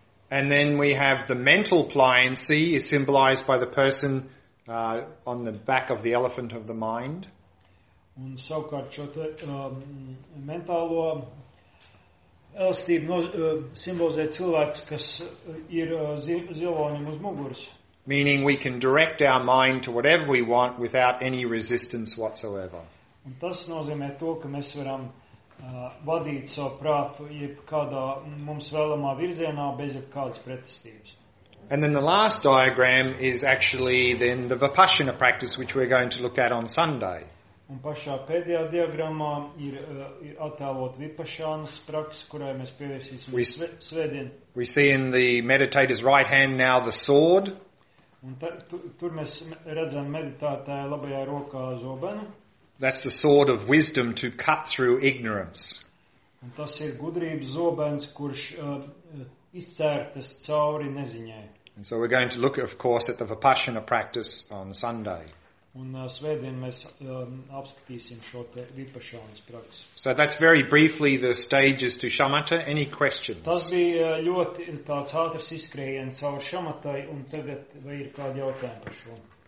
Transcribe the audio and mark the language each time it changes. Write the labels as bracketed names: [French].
[English] And then we have the mental pliancy is symbolized by the person on the back of the elephant of the mind. [Latvian] Un savukārt šo te, mentālo elastību simbolizē cilvēks, kas ir zilvoņam uz muguras. [English] Meaning we can direct our mind to whatever we want without any resistance whatsoever. [Latvian] Un tas nozīmē to, ka mēs varam vadīt savu prātu jebkādā mums vēlamā virzienā bez jebkādas pretestības. [English] And then the last diagram is actually then the Vipassana practice which we're going to look at on Sunday. [Latvian] Un pašā pēdējā diagramā ir attēlot Vipassanas praksi, kurai mēs pievērsīsim svētdien. [English] We see in the meditator's right hand now the sword. [Latvian] Un tur mēs redzam meditātāja labajā rokā zobenu. [English] That's the sword of wisdom to cut through ignorance. [Latvian] Un tas ir gudrības zobens, kurš izcērtas cauri neziņai. [English] And so we're going to look, of course, at the Vipassana practice on Sunday. [Latvian] Un svētdien mēs apskatīsim šo te Vipassanas praksi. [English] So that's very briefly the stages to shamatha. Any questions? [Latvian] Tas bija ļoti tāds ātrs izskrējiens cauri shamathai, un tagad vai ir kādi jautājumi par šo?